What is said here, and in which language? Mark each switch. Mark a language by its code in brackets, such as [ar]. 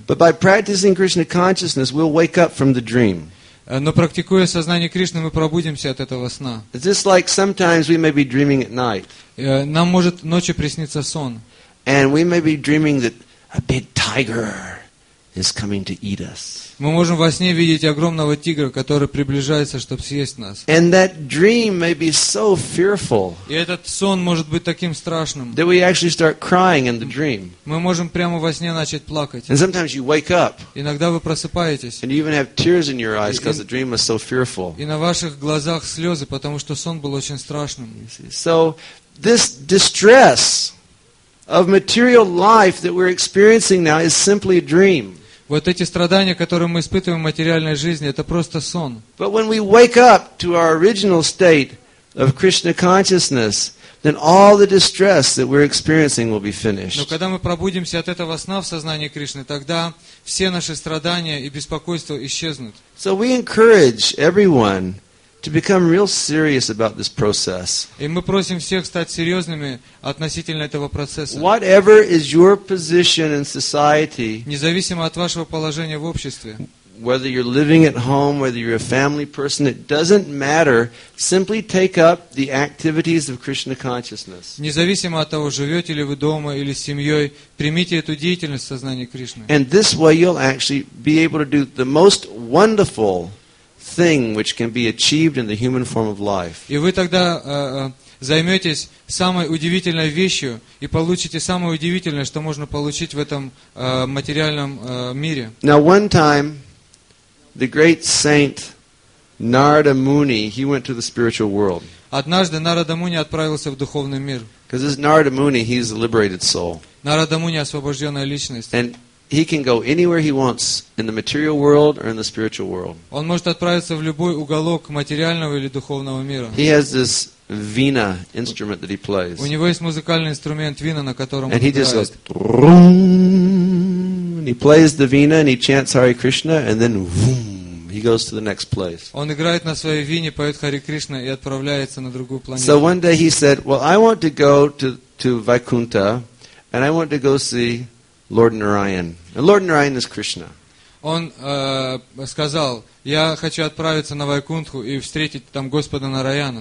[en] But by practicing Krishna consciousness, we'll wake up from the dream. [ru] Но практикуя сознание Кришны, мы пробудимся от этого сна. [en] Just like sometimes we may be dreaming at night. [ru] Нам может ночью присниться сон. [en] And we may be dreaming that a big tiger is coming to eat us. [ru] Мы можем во сне видеть огромного тигра, который приближается, чтобы съесть нас. [en] And that dream may be so fearful. [ru] И этот сон может быть таким страшным. [en] That we actually start crying in the dream. [ru] Мы можем прямо во сне начать плакать. [en] And sometimes you wake up. [ru] Иногда вы просыпаетесь. [en] And you even have tears in your eyes because the dream was so fearful. [ru] И на ваших глазах слезы, потому что сон был очень страшным. [en] So this distress of material life that we're experiencing now is simply a dream. [ru] Вот эти страдания, которые мы испытываем в материальной жизни, это просто сон. [en] But when we wake up to our original state of Krishna consciousness, then all the distress that we're experiencing will be finished. [ru] Но когда мы пробудимся от этого сна в сознании Кришны, тогда все наши страдания и беспокойства исчезнут. [en] So we encourage everyone to become real serious about this process. [ru] И мы просим всех стать серьезными относительно этого процесса. [en] Whatever is your position in society, [ru] независимо от вашего положения в обществе, [en] whether you're living at home, whether you're a family person, it doesn't matter. Simply take up the activities of Krishna consciousness. [ru] Независимо от того, живете ли вы дома или с семьей, примите эту деятельность в сознании Кришны. [en] And this way you'll actually be able to do the most wonderful thing which can be achieved in the human form of life. [ru] И вы тогда займетесь самой удивительной вещью и получите самое удивительное, что можно получить в этом материальном мире. [en] Now one time, the great saint Narada Muni, he went to the spiritual world. [ru] Однажды Нарада Муни отправился в духовный мир. [en] Because this Narada Muni, he's a liberated soul. [ru] Нарада Муни освобожденная личность. [en] And he can go anywhere he wants in the material world or in the spiritual world. [ru] Он может отправиться в любой уголок материального или духовного мира. [en] He has this vina instrument that he plays. [ru] У него есть музыкальный инструмент вина, на котором он играет. [en] And he just goes vroom, and he plays the vina and he chants Hare Krishna and then vroom, he goes to the next place. [ru] Он играет на своей вине, поет Хари Кришна и отправляется на другую планету. [en] So one day he said, "Well, I want to go to Vaikuntha and I want to go see Lord Narayan." And Lord Narayan is Krishna. [ru] Он сказал, я хочу отправиться на Вайкунтху и встретить там Господа Нараяна.